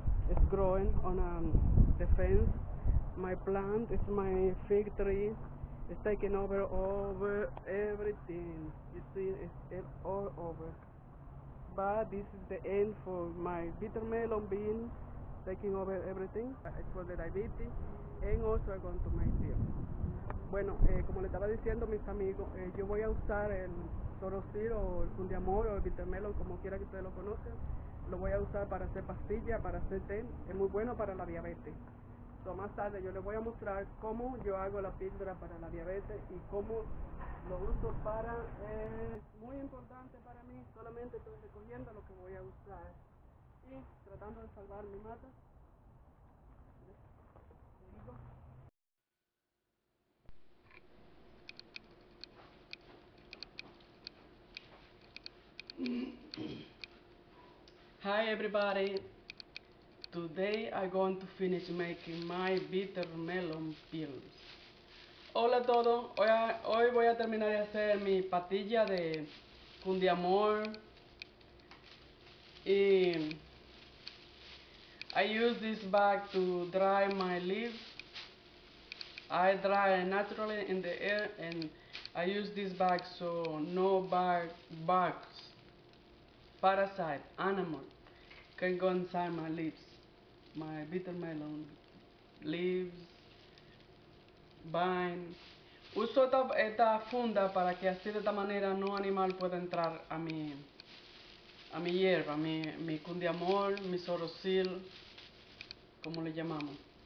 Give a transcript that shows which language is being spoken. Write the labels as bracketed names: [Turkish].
[English] It's growing on the fence. My plant is my fig tree. It's taking over everything. You see, it's all over. But this is the end for my bitter melon being taking over everything. It's for the diabetes and also going to my field. [Spanish] Bueno, como le estaba diciendo mis amigos, yo voy a usar el zorrocil o el cundiamor o el bitter melon, como quiera que ustedes lo conocen. Lo voy a usar para hacer pastillas, para hacer té. Es muy bueno para la diabetes. Más tarde yo les voy a mostrar cómo yo hago la píldora para la diabetes y cómo lo uso para... Es muy importante para mí, solamente estoy recogiendo lo que voy a usar y tratando de salvar mi mata. [English] Hi everybody, today I'm going to finish making my bitter melon pills. [Spanish] Hola a todos, hoy voy a terminar de hacer mi pastilla de cundiamor. [English] Y I use this bag to dry my leaves. I dry naturally in the air, and I use this bag so no bugs, parasite, animal can go inside my leaves, my bitter melon leaves, vine. [Spanish] Uso esta funda para que así de esta manera no animal pueda entrar a mi hierba, mi cundiamor, mi zorrocil, como le llamamos.